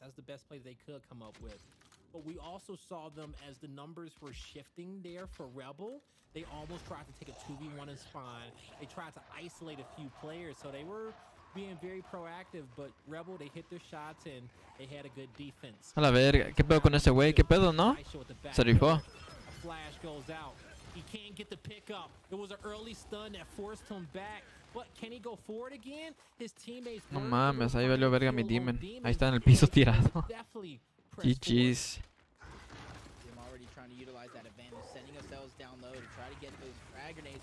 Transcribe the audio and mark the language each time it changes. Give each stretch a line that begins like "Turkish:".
English: That's the best play that they could come up with. But we also saw them as the numbers were shifting there for Rebel. They almost tried to take a 2v1 in spawn. They tried to isolate a few players, so they were being very proactive, but Rebel, they hit their shots and they had a good defense.
Spanish: A la verga, ¿qué pedo con ese güey? ¿Qué pedo, no? Se rifó.
English: A flash goes out. He can't get the pickup. It was an early stun that forced him back. But can he go forward again? His teammates.
Spanish: No mames, ahí valió verga mi Demon. Ahí está en el piso tirado. GG's.
English: I'm already trying to utilize that advantage, sending ourselves down low to try to get those frag grenades.